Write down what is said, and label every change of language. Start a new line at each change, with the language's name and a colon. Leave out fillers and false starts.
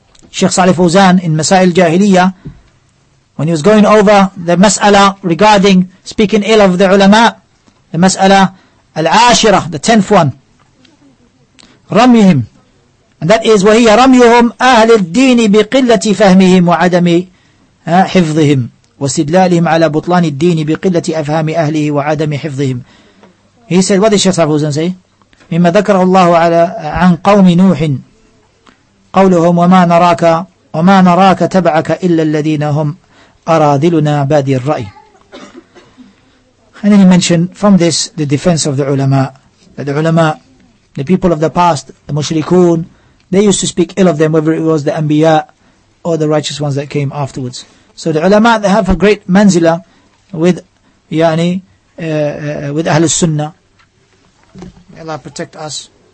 English: Sheikh Salih Fawzan in Masail Jahiliya, when he was going over the mas'ala regarding speaking ill of the ulama, the mas'ala al-ashira, the 10th one, ramyuhum, and that is
Arabic: وَهِيَ رَمْيُهُمْ أَهْلِ الدِّينِ بِقِلَّةِ فَهْمِهِمْ وَعَدَمِ حِفْظِهِمْ وَاسْتِدْلَالِهِمْ عَلَى بُطْلَانِ الدِّينِ بِقِلَّةِ أَفْهَامِ أَهْلِهِ وَعَدَمِ حِفْظِهِمْ.
English: He said, what did Sheikh Salih Fawzan say?
Arabic: مما ذكره الله على عن قوم نوح قولهم وما نراك تبعك إلا الذين هم أراذلنا بادي الرأي.
English: And then he mentioned from this the defense of the ulama, that the ulama, the people of the past, the mushrikun, they used to speak ill of them, whether it was the anbiya or the righteous ones that came afterwards. So the ulama, they have a great manzila with Ahl Sunnah. Allah protect us.